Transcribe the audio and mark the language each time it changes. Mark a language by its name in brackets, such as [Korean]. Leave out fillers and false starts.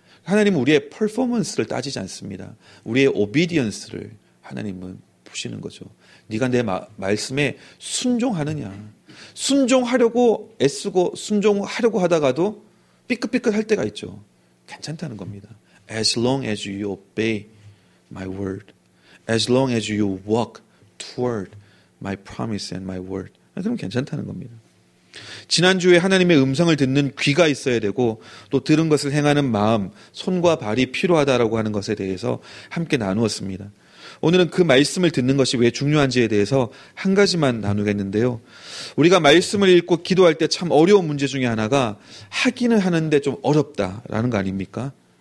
[Korean] 하나님은 우리의 퍼포먼스를 따지지 않습니다. 우리의 오비디언스를 하나님은 보시는 거죠. 네가 내 말씀에 순종하느냐. 순종하려고 애쓰고 순종하려고 하다가도 삐끗삐끗할 때가 있죠. 괜찮다는 겁니다. [English] As long as you obey my word. As long as you walk toward my promise and my word. [Korean] 그럼 괜찮다는 겁니다. 지난주에 하나님의 음성을 듣는 귀가 있어야 되고 또 들은 것을 행하는 마음, 손과 발이 필요하다라고 하는 것에 대해서 함께 나누었습니다. 오늘은 그 말씀을 듣는 것이 왜 중요한지에 대해서 한 가지만 나누겠는데요. 우리가 말씀을 읽고 기도할 때 참 어려운 문제 중에 하나가 하기는 하는데 좀 어렵다라는 거 아닙니까?